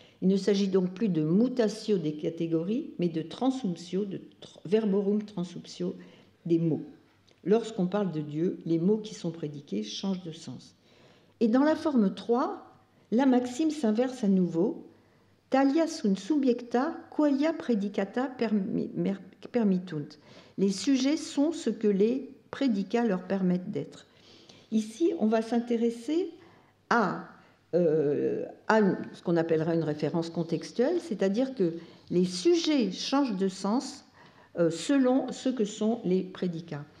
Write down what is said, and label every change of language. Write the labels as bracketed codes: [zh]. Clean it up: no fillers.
[fr] Il ne s'agit donc plus de mutatio des catégories, mais de transumptio, de verborum transumptio des mots. Lorsqu'on parle de Dieu, les mots qui sont prédiqués changent de sens. Et dans la forme 3, la maxime s'inverse à nouveau. [la] Talia sunt subjecta qualia predicata permittunt. [fr] Les sujets sont ce que les prédicats leur permettent d'être. Ici, on va s'intéresser à ce qu'on appellera une référence contextuelle, c'est-à-dire que les sujets changent de sens selon ce que sont les prédicats.